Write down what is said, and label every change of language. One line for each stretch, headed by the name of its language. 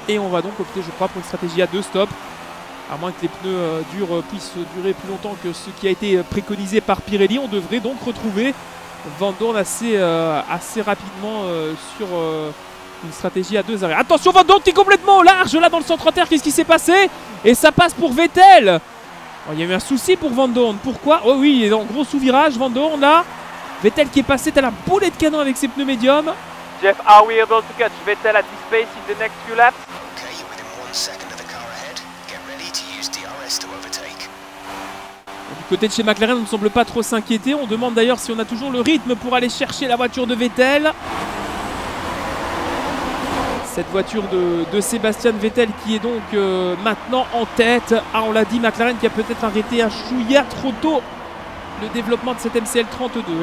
French: Et on va donc opter, je crois, pour une stratégie à deux stops. À moins que les pneus durs puissent durer plus longtemps que ce qui a été préconisé par Pirelli, on devrait donc retrouver Van Dorn assez rapidement sur une stratégie à deux arrêts. Attention, Van Dorn qui est complètement au large là dans le centre inter. Qu'est-ce qui s'est passé? Et ça passe pour Vettel. Oh, il y a eu un souci pour Van Dorn. Pourquoi? Oh oui, il est en gros sous-virage, Van Dorn là. Vettel qui est passé, t'as la boulet de canon avec ses pneus médiums.
English: Jeff, are we able to catch Vettel at this pace in the next few laps? Okay, you're within 1 second of the car ahead. Get ready to use DRS to overtake.
French: Du côté de chez McLaren, on ne semble pas trop s'inquiéter. On demande d'ailleurs si on a toujours le rythme pour aller chercher la voiture de Vettel. Cette voiture de Sébastien Vettel qui est donc maintenant en tête. Ah, on l'a dit, McLaren qui a peut-être arrêté un chouïa trop tôt le développement de cette MCL32.